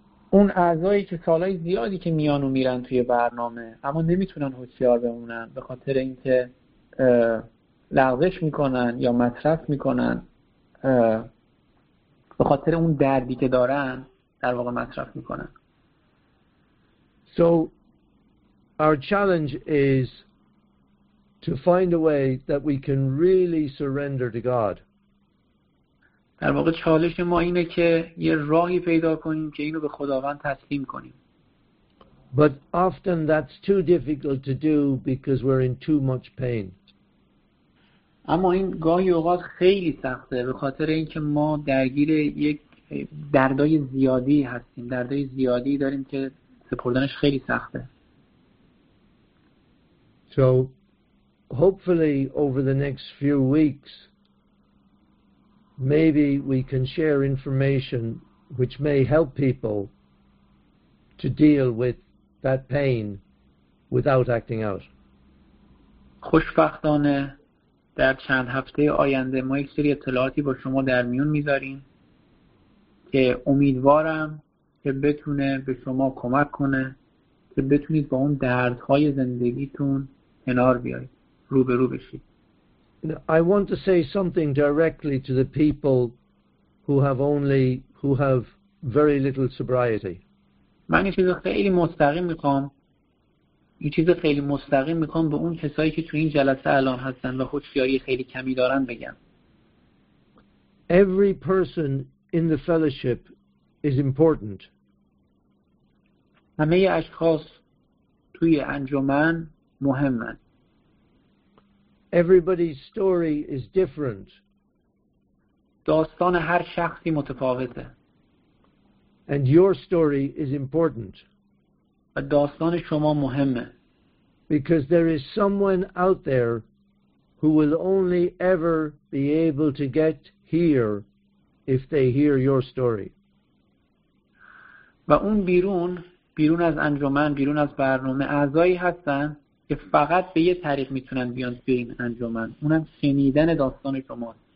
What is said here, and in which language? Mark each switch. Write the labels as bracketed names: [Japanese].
[Persian] اون اعضایی که سالهای زیادی که میان و میرن توی برنامه اما نمیتونن هوشیار بمونن به خاطر اینکه لغزش میکنن یا مصرف میکنن به خاطر اون دردی که دارن در واقع مصرف میکنن. [English] So our challenge is to find a way that we can really surrender to God. [Persian] در واقع چالش ما اینه که یه راهی پیدا کنیم که اینو به خداوند تسلیم کنیم. [English] But often that's too difficult to do because we're in too much pain. [Persian] اما این گاهی اوقات خیلی سخته به خاطر اینکه ما درگیر یک دردای زیادی هستیم، دردای زیادی داریم که سپردنش خیلی سخته. [English] So hopefully over the next few weeks maybe we can share information which may help people to deal with that pain without acting out. [Persian] خوشبختانه در چند هفته آینده ما یک سری اطلاعاتی با شما در میون میذاریم که امیدوارم که بتونه به شما کمک کنه که بتونید با اون دردهای زندگیتون کنار بیایید، روبرو بشید. [English] I want to say something directly to the people who have very little sobriety. [Persian] من یه چیز خیلی مستقیم میخوام. به اون کسایی که تو این جلسه الان هستن و هوشیاری خیلی کمی دارن بگم. [English] Every person in the fellowship is important. [Persian] همه اشخاص توی انجمن مهمن. [English] Everybody's story is different. [Persian] داستان هر شخصی متفاوته. [English] And your story is important. [Persian] و داستان شما مهمه. [English] Because there is someone out there who will only ever be able to get here if they hear your story. [Persian] و اون بیرون از انجمن، بیرون از برنامه اعضایی هستن که فقط به یه طریق میتونن بیان توی این انجمن، اونم شنیدن داستان شما.